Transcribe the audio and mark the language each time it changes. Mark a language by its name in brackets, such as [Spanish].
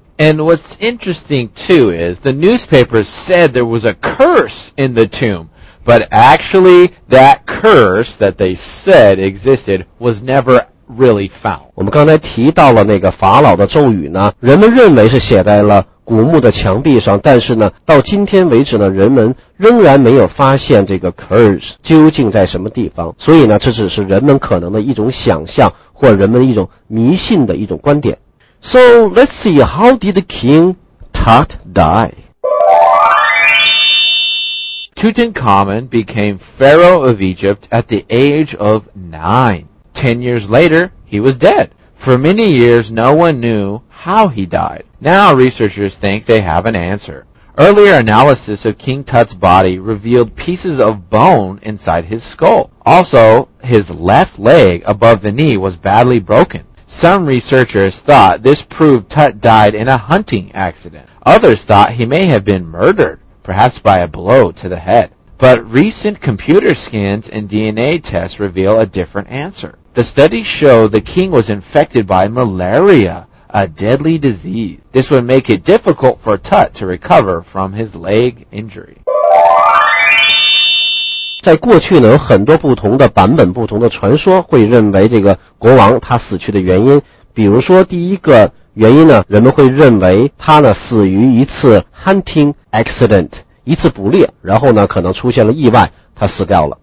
[English] And what's interesting too is the newspapers said there was a curse in the tomb, but actually that curse that they said existed was never really found. [Chinese] 我们刚才提到了那个法老的咒语呢，人们认为是写在了古墓的墙壁上，但是呢，到今天为止呢，人们仍然没有发现这个 curse 究竟在什么地方。所以呢，这只是人们可能的一种想象，或人们一种迷信的一种观点。 [English] So let's see, how did the King Tut die? Tutankhamun became Pharaoh of Egypt at the age of 9. 10 years later, he was dead. For many years, no one knew how he died. Now researchers think they have an answer. Earlier analysis of King Tut's body revealed pieces of bone inside his skull. Also, his left leg above the knee was badly broken. Some researchers thought this proved Tut died in a hunting accident. Others thought he may have been murdered, perhaps by a blow to the head. But recent computer scans and DNA tests reveal a different answer. The studies show the king was infected by malaria, a deadly disease. This would make it difficult for Tut to recover from his leg injury. [Chinese] 在过去呢，有很多不同的版本、不同的传说，会认为这个国王他死去的原因。比如说，第一个原因呢，人们会认为他呢死于一次 hunting accident， 一次捕猎，然后呢可能出现了意外，他死掉了。